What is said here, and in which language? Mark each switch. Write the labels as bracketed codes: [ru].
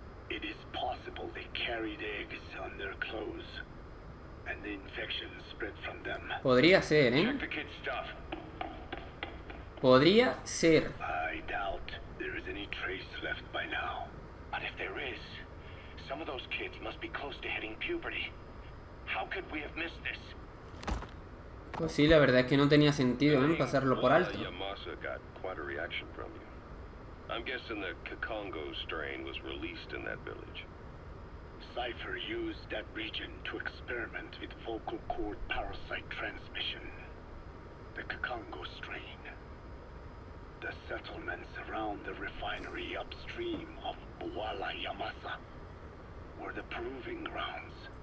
[en] it is possible they carried eggs on their clothes, and the infection spread from them. [es] Podría ser, ¿eh? [en] Check the kid's stuff. [es] Podría ser. [en] I doubt there is any trace left by now. But if there is, some of those kids must be close to hitting puberty. How could we have missed this? [es] Pues sí, la verdad es que no tenía sentido, ¿eh? Pasarlo por alto. [en] Yamasa got quite a reaction from you. I'm guessing the Kikongo strain was released in that village. Cypher used that region to experiment with vocal cord parasite transmission. The Kikongo strain. The settlements around the refinery upstream of Buala Yamasa were the proving grounds.